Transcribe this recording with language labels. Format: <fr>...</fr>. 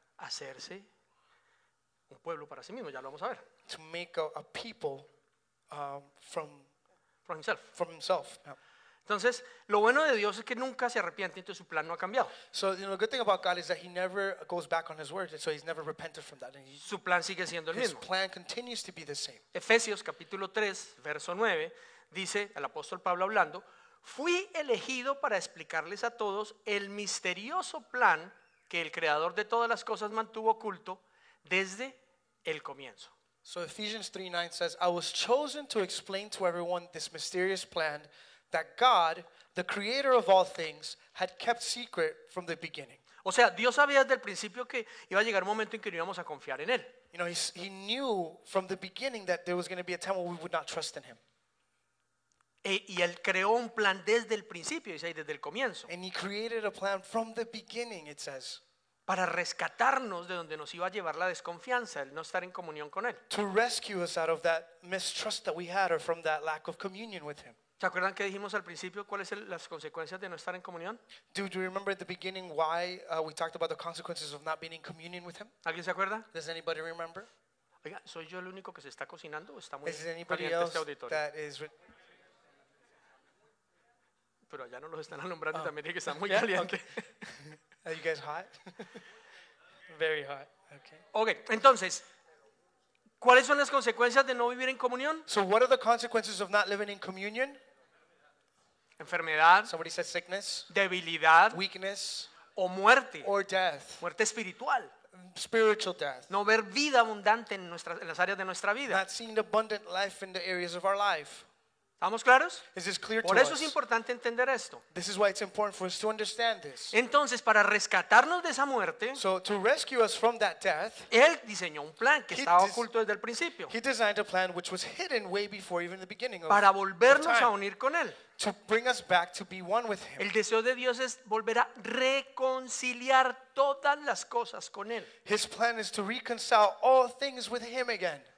<es>Hacerse un pueblo para sí mismo. Ya lo vamos a ver.</es> <en>To make a people from himself. From himself. Yeah.</en> <es>Entonces, lo bueno de Dios es que nunca se arrepiente, entonces su plan no ha cambiado.</es> <en>So, you know, the good thing about God is that He never goes back on His word, so He's never repented from that.</en> <es>Su plan sigue siendo el mismo.</es> <en>His plan continues to be the same.</en> <es>Efesios capítulo 3, verso 9, dice el apóstol Pablo hablando, fui elegido para explicarles a todos el misterioso plan que el creador de todas las cosas mantuvo oculto desde el comienzo.</es> <en>So, Ephesians 3:9 says, I was chosen to explain to everyone this mysterious plan that God, the creator of all things, had kept secret from the beginning.</en> <es>O sea, Dios sabía desde el principio que iba a llegar un momento en que no íbamos a confiar en Él.</es> <en>You know, he knew from the beginning that there was going to be a time where we would not trust in Him.</en> <es>Y Él creó un plan desde el principio, dice ahí, desde el comienzo.</es> <en>And He created a plan from the beginning, it says.</en> <es>Para rescatarnos de donde nos iba a llevar la desconfianza, el no estar en comunión con Él.</es> <en>To rescue us out of that mistrust that we had or from that lack of communion with Him.</en> <es>¿Se acuerdan que dijimos al principio cuáles son las consecuencias de no estar en comunión?</es> <en>Do you remember at the beginning why we talked about the consequences of not being in communion with Him?</en> <es>¿Alguien se acuerda?</es> <en>Does anybody remember?</en> <es>Oiga, ¿soy yo el único que se está cocinando o está muy caliente este auditorio?</es> <en>Is anybody else that is</en> <es>pero allá no los están alumbrando y también dije que está muy caliente.</es> <en>Okay. Are you guys hot? Very hot. Okay.</en> <es>Okay, entonces, ¿cuáles son las consecuencias de no vivir en comunión?</es> <en>So what are the consequences of not living in communion?</en> <es>Enfermedad.</es> <en>Somebody said sickness.</en> <es>Debilidad.</es> <en>Weakness.</en> <es>O muerte.</es> <en>Or death.</en> <es>Muerte espiritual.</es> <en>Spiritual death.</en> <es>No ver vida abundante en las áreas de nuestra vida.</es> <en>Not seeing the abundant life in the areas of our life.</en> <es>¿Estamos claros?</es> <en>Is this clear</en> <es>Por</es> <en>to</en> <es>eso</es> <en>us?</en> <es>Es importante entender esto.</es> <en>This is why it's important for us to understand this.</en> <es>Entonces, para rescatarnos de esa muerte,</es> <en>so to rescue us from that death,</en> <es>Él diseñó un plan que estaba oculto desde el principio.</es> <en>He designed a plan which was hidden way before even the beginning of time.</en> <es>Para volvernos a unir con Él.</es> <en>To bring us back to be one with Him.</en> <es>El deseo de Dios es volver a reconciliar todas las cosas con Él.</es> <en>His plan is to reconcile all things with Him again.</en>